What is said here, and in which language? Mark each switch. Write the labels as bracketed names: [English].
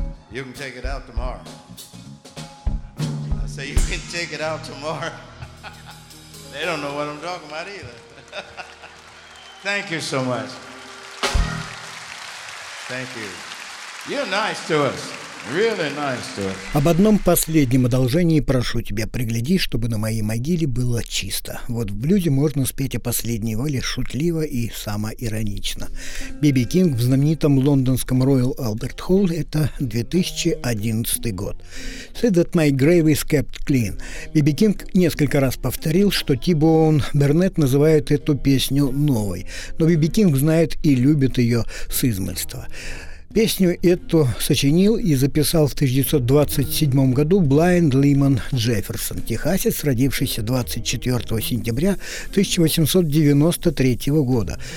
[English] You can take it out tomorrow. I say you can take it out tomorrow. They don't know what I'm talking about either. Thank you so much. Thank you. You're nice to us. Really nice to us. [Russian] Об одном последнем одолжении прошу тебя. Пригляди, чтобы на моей могиле было чисто. Вот в блюзе можно спеть о последней воле шутливо и самоиронично. Би-Би Кинг в знаменитом лондонском Royal Albert Hall. Это 2011 год. [English] Say that my grave is kept clean. [Russian] Би-Би Кинг несколько раз повторил, что Ти-Боун Бернетт называет эту песню новой. Но Би-Би Кинг знает и любит ее с измальства. Песню эту сочинил и записал в 1927 году Блайнд Лимон Джефферсон, техасец, родившийся 24 сентября 1893 года.